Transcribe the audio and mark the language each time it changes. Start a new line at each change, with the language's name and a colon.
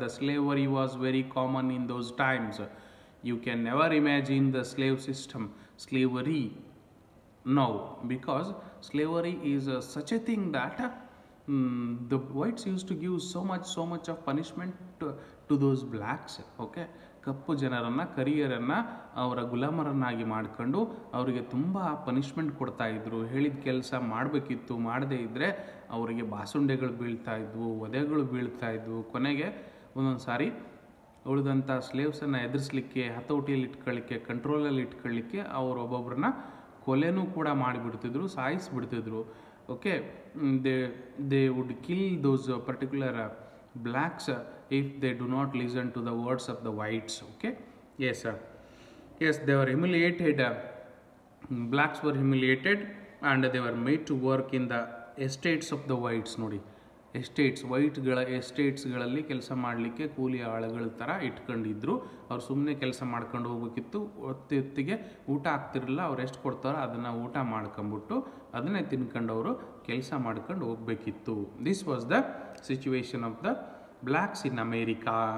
English: The slavery was very common in those times. You can never imagine the slave system, slavery now, because slavery is such a thing that the whites used to give so much of punishment to those blacks.
Kannada: Okay, ಕಪ್ಪು ಜನರನ್ನು ಕರಿಯರನ್ನು ಅವರ ಗುಲಾಮರನ್ನಾಗಿ ಮಾಡಿಕೊಂಡು ಅವರಿಗೆ ತುಂಬ punishment ಕೊಡ್ತಾ ಇದ್ರು. ಹೇಳಿದ ಕೆಲಸ ಮಾಡಬೇಕಿತ್ತು, ಮಾಡದೇ ಇದ್ದರೆ ಅವರಿಗೆ ಬಾಸುಂಡೆಗಳು ಬೀಳ್ತಾ ಇದ್ವು, ವಧೆಗಳು ಬೀಳ್ತಾ ಇದ್ವು. ಕೊನೆಗೆ ಒಂದೊಂದು ಸಾರಿ ಉಳಿದಂಥ ಸ್ಲೇವ್ಸನ್ನು ಎದುರಿಸ್ಲಿಕ್ಕೆ, ಹತೋಟಿಯಲ್ಲಿ ಇಟ್ಕೊಳ್ಳಿಕ್ಕೆ, ಕಂಟ್ರೋಲಲ್ಲಿ ಇಟ್ಕೊಳ್ಳಿಕ್ಕೆ ಅವರು ಒಬ್ಬೊಬ್ಬರನ್ನ ಕೊಲೆನೂ ಕೂಡ ಮಾಡಿಬಿಡ್ತಿದ್ರು, ಸಾಯಿಸಿಬಿಡ್ತಿದ್ರು.
English: Okay, they would kill those particular blacks if they do not listen to the words of the whites. Okay, yes sir, yes, they were humiliated. Blacks were humiliated, and they were made to work in the estates of the whites. Nodi,
Kannada: estates ವೈಟ್ಗಳ ಎಸ್ಟೇಟ್ಸ್ಗಳಲ್ಲಿ ಕೆಲಸ ಮಾಡಲಿಕ್ಕೆ ಕೂಲಿ ಆಳುಗಳ ಥರ ಇಟ್ಕೊಂಡಿದ್ರು. ಅವ್ರು ಸುಮ್ಮನೆ ಕೆಲಸ ಮಾಡ್ಕೊಂಡು ಹೋಗ್ಬೇಕಿತ್ತು, ಹೊತ್ತಿ ಹೊತ್ತಿಗೆ ಊಟ ಆಗ್ತಿರಲಿಲ್ಲ, ಅವ್ರು ಎಷ್ಟು ಕೊಡ್ತಾರೋ ಅದನ್ನು ಊಟ ಮಾಡ್ಕೊಂಬಿಟ್ಟು ಅದನ್ನೇ ತಿನ್ಕೊಂಡು ಅವರು ಕೆಲಸ ಮಾಡ್ಕೊಂಡು ಹೋಗ್ಬೇಕಿತ್ತು.
English: This was the situation of the blacks in America.